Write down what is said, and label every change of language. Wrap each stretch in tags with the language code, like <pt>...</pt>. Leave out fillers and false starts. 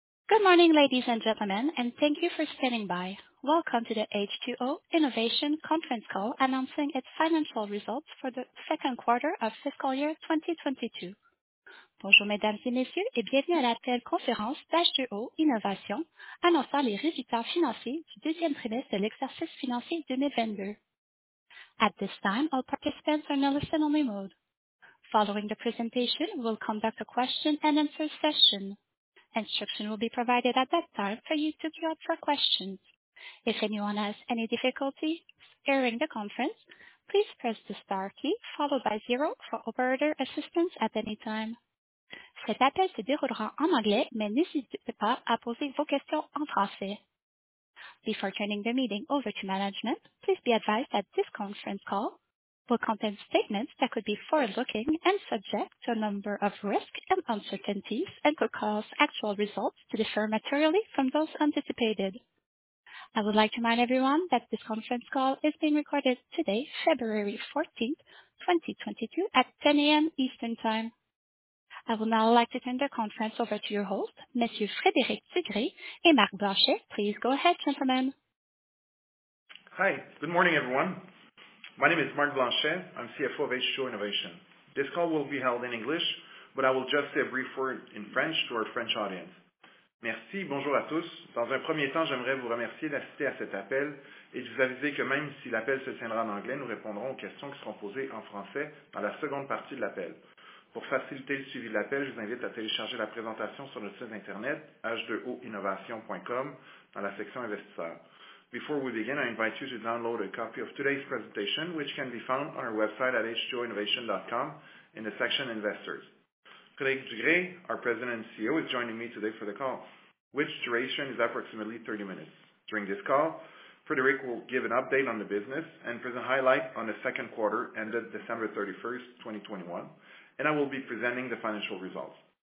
<en>Good morning, ladies and gentlemen, and thank you for standing by. Welcome to the H2O Innovation conference call announcing its financial results for the second quarter of fiscal year 2022.</en> <fr>Bonjour, mesdames et messieurs, et bienvenue à la téléconférence d'H2O Innovation annonçant les résultats financiers du deuxième trimestre de l'exercice financier 2022.</fr> <en>At this time, all participants are in a listen-only mode. Following the presentation, we will conduct a question-and-answer session. Instruction will be provided at that time for you to queue up for questions. If anyone has any difficulty hearing the conference, please press the star key followed by zero for operator assistance at any time.</en> <fr>Cet appel se déroulera en anglais, mais n'hésitez pas à poser vos questions en français.</fr> <en>Before turning the meeting over to management, please be advised that this conference call will contain statements that could be forward-looking and subject to a number of risks and uncertainties and could cause actual results to differ materially from those anticipated. I would like to remind everyone that this conference call is being recorded today, February 14, 2022, at 10 a.m. Eastern Time. I would now like to turn the conference over to your host, Monsieur Frédéric Tigré and Marc Blanchet. Please go ahead, gentlemen. Hi, good morning, everyone. My name is Marc Blanchet. I'm CFO of H2O Innovation. This call will be held in English, but I will just say a brief word in French to our French audience.</en> <fr>Merci, bonjour à tous. Dans un premier temps, j'aimerais vous remercier d'assister à cet appel et de vous aviser que même si l'appel se tiendra en anglais, nous répondrons aux questions qui seront posées en français dans la seconde partie de l'appel. Pour faciliter le suivi de l'appel, je vous invite à télécharger la présentation sur notre site internet h2oinnovation.com dans la section investisseurs.</fr> <en>Before we begin, I invite you to download a copy of today's presentation, which can be found on our website at h2oinnovation.com in the section Investors. Frédéric Dugré, our President and CEO, is joining me today for the call, which duration is approximately 30 minutes. During this call, Frédéric will give an update on the business and present highlights on the second quarter ended December 31st, 2021, and I will be presenting the financial results.</en>